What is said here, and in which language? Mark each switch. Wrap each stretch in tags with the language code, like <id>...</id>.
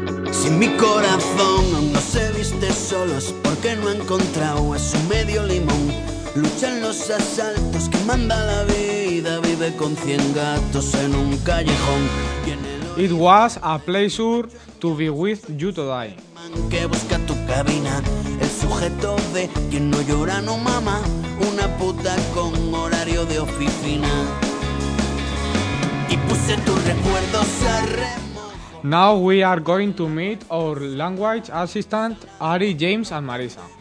<es>Si mi corazón aún no se viste solo es porque no ha encontrado a su medio limón. Lucha en los asaltos que manda la vida, vive con 100 gatos en un callejón.</es> <en>It was a pleasure to be with you today.</en> <es>Que busca tu cabina, el sujeto de quien no llora no mama, una puta con horario de oficina. Y puse tus recuerdos a remo.</es> <en>Now we are going to meet our language assistant, Ari, James and Marisa.</en>